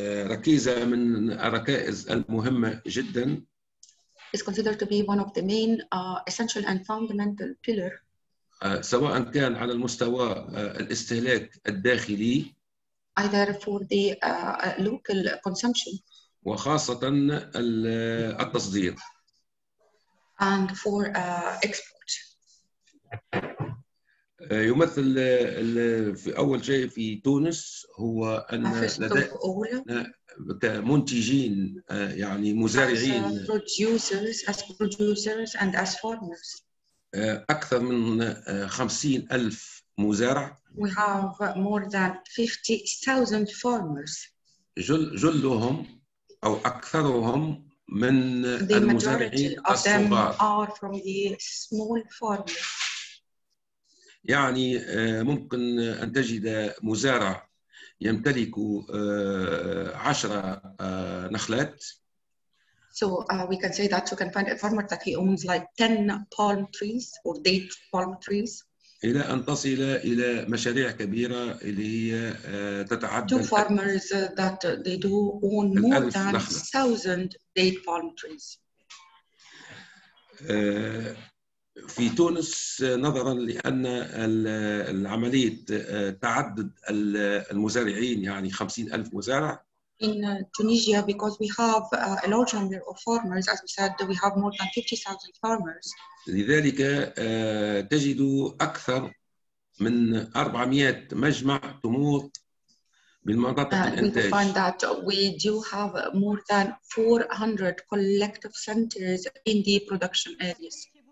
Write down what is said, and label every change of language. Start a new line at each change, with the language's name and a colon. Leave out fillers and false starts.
Arabic: ركيزة من الركائز المهمة جدا.
English: Is considered to be one of the main essential and fundamental pillar.
Arabic: سواء كان على المستوى الاستهلاك الداخلي.
English: Either for the local consumption.
Arabic: وخاصة التصدير.
English: And for export.
Arabic: يمثل في أول شيء في تونس هو أن لدينا كمنتجين يعني مزارعين
English: as producers and as farmers
Arabic: أكثر من 50,000 مزارع.
English: We have more than 50,000 farmers.
Arabic: جلهم أو أكثرهم من المزارعين الصغار.
English: The majority of them are from the small farmers.
Arabic: يعني ممكن أن تجد مزارع يمتلك 10 نخلات.
English: So we can say that you can find a farmer that he owns like 10 palm trees or date palm trees.
Arabic: إلى أن تصل إلى مشاريع كبيرة اللي هي تتعدى.
English: Two farmers that they do own more than 1,000 date palm trees.
Arabic: في تونس نظرا لأن العملية تعدد المزارعين يعني 50,000 مزارع.
English: In Tunisia, because we have a large number of farmers, as we said, we have more than 50,000 farmers.
Arabic: لذلك تجد أكثر من 400 مجمع تمور بالمناطق الإنتاج.
English: We find that we do have more than 400 collective centers in the production areas.